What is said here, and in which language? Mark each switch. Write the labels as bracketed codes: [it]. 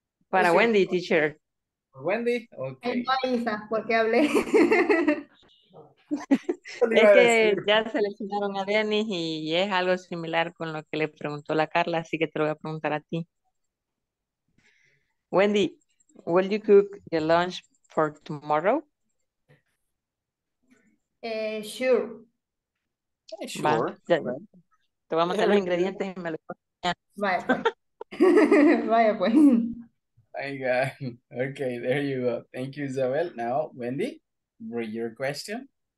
[en] Para Wendy, your... teacher. Wendy, okay. [es] No, Isa, porque hablé. Es que ya seleccionaron a Dennis y es algo similar con lo que le preguntó la Carla, así que te lo voy a preguntar a ti. [en] Wendy, will you cook your lunch for tomorrow? Sure. Sure. Va, [es] ya, te voy a mandar los ingredientes y me lo Vaya, pues. Vaya, pues. [en] Ay, God. Okay, there you go. Thank you, Isabel. Now, Wendy, read your question.